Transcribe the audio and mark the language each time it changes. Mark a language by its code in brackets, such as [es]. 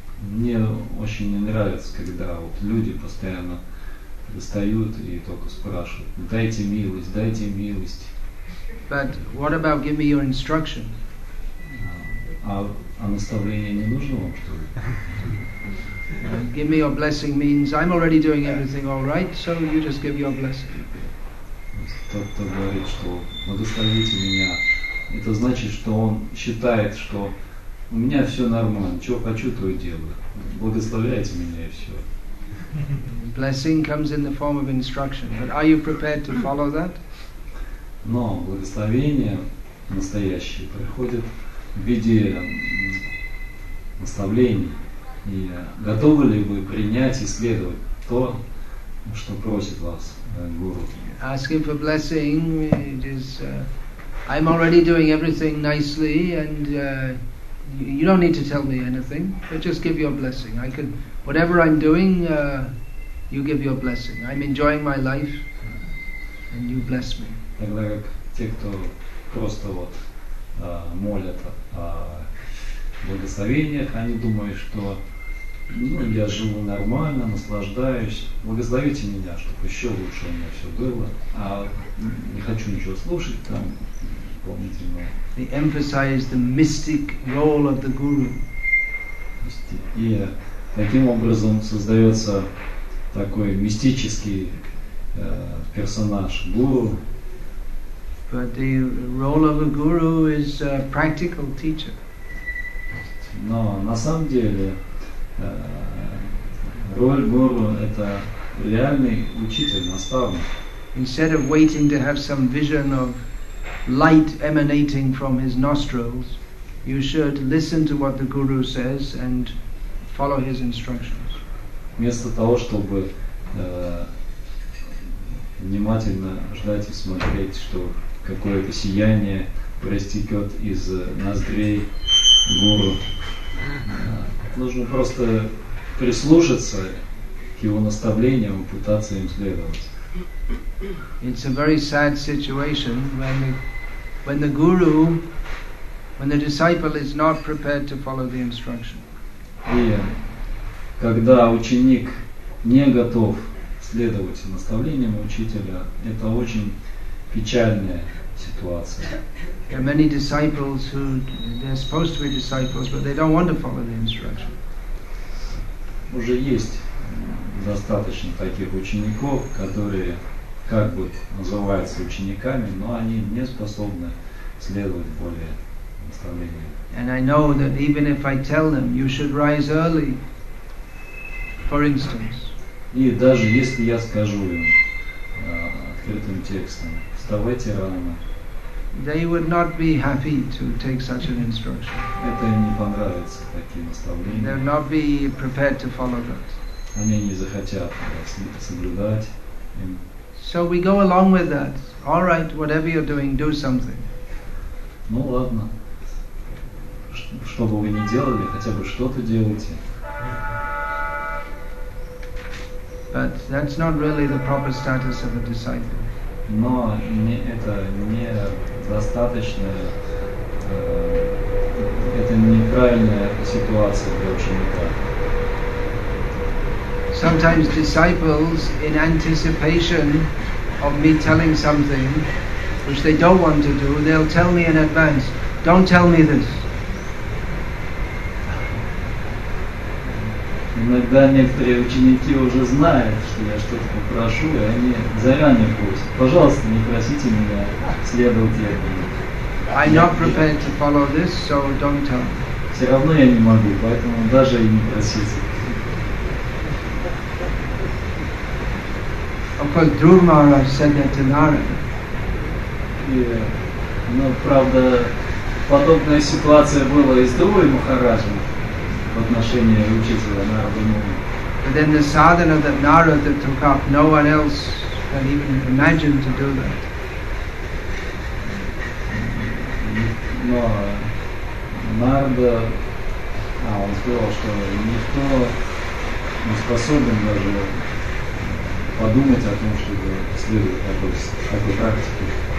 [ru] Мне очень не нравится, когда вот люди постоянно достают и только спрашивают: "Дайте милость, дайте милость." [en] But what about give me your instruction? [ru] А наставление не нужно вам, что ли? [en] Give me your blessing means I'm already doing everything all right, so you just give your blessing. [ru] Кто-то говорит, что благословите меня. Это значит, что он считает, что у меня все нормально, что хочу, то и делаю. Благословляйте меня и все. [en] Blessing comes in the form of instruction, but are you prepared to follow that? [ru] Но благословение настоящее приходит в виде наставлений. И готовы ли вы принять и следовать то, что просит вас гуру? [en] Asking for blessing, it is, I'm already doing everything nicely, and you don't need to tell me anything, but just give your blessing. I can, whatever I'm doing, you give your blessing. I'm enjoying my life, and you bless me. [ru] Тогда как те, кто просто вот молят о благословениях, они думают, что ну, я живу нормально, наслаждаюсь. Благословите меня, чтобы еще лучше у меня все было. А не хочу ничего слушать там, помните, но... [en] They emphasize the mystic role of the guru. [ru] И таким образом создается такой мистический персонаж, гуру. [en] But the role of a guru is a practical teacher. [ru] Но на самом деле... роль гуру это реальный учитель, наставник. [en] Instead of waiting to have some vision of light emanating from his nostrils, you should listen to what the guru says and follow his instructions. [ru] Вместо того, чтобы внимательно ждать и смотреть, что какое-то сияние проистекет из ноздрей гуру. Нужно просто прислушаться к его наставлениям и пытаться им следовать. [en] It's a very sad situation when the guru, when the disciple is not prepared to follow the instruction. [ru] И когда ученик не готов следовать наставлениям учителя, это очень печальная ситуация. [en] There are many disciples who they're supposed to be disciples, but they don't want to follow the instruction. [ru] Уже есть достаточно таких учеников, которые как бы называются учениками, но они не способны следовать более наставлениям. [en] And I know that even if I tell them, you should rise early, for instance. [ru] И даже если я скажу им открытым текстом, вставайте рано, [en] they would not be happy to take such an instruction. [ru] Это им не понравится, такие наставления. [en] They would not be prepared to follow that. [ru] Они не захотят соблюдать им. [en] So we go along with that. All right, whatever you're doing, do something. [ru] Ну ладно. Что бы вы ни делали, хотя бы что-то делайте. [en] But that's not really the proper status of a disciple. [ru] Но не, это не достаточно, это неправильная ситуация для ученика. [en] Sometimes disciples, in anticipation of me telling something which they don't want to do, they'll tell me in advance, don't tell me this. [ru] Иногда некоторые ученики уже знают, что я что-то попрошу, и они заранее просят. Пожалуйста, не просите меня следовать этому. [en] I'm not prepared to follow this, so don't tell me. [ru] Все равно я не могу, поэтому даже и не просите. [en] Of course, Dhruva Maharaj said that to Narada. [ru] Но правда, подобная ситуация была и с Дхрувой Махараджем. В отношении учителя Нарады Муни. [en] But then the sadhana that Narada took up, no one else had even imagined to do that. [ru] Но Нарада, он сказал, что никто не способен даже подумать о том, чтобы следовать такой практике.